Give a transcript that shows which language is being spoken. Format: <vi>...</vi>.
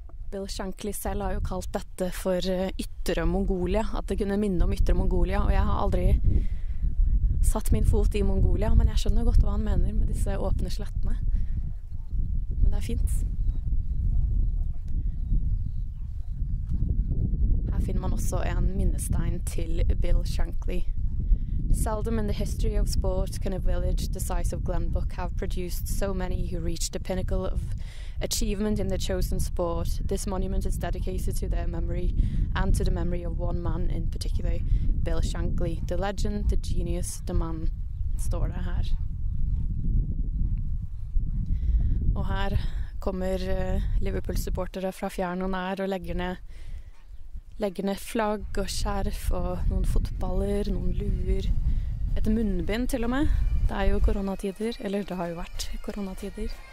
<no>Bill Shankly selv har jo kalt dette for Yttre Mongolia, at det kunne minne om Yttre Mongolia, og jeg har aldri satt min fot i Mongolia, men jeg skjønner godt hva han mener med disse åpne slettene. Men det er fint. Her finner man også en minnestein til Bill Shankly.</no> <en>Seldom in the history of sport can a village the size of Glenbuck have produced so many who reached the pinnacle of achievement in the chosen sport. This monument is dedicated to their memory and to the memory of one man in particular, Bill Shankly, the legend, the genius, the man,</en> <no>står det her. Og her kommer Liverpool-supportere fra fjern og nær og legger ned flagg og skjerf og noen fotballer, noen luer, et munnbind til og med. Det er jo koronatider, eller det har jo vært koronatider.</no>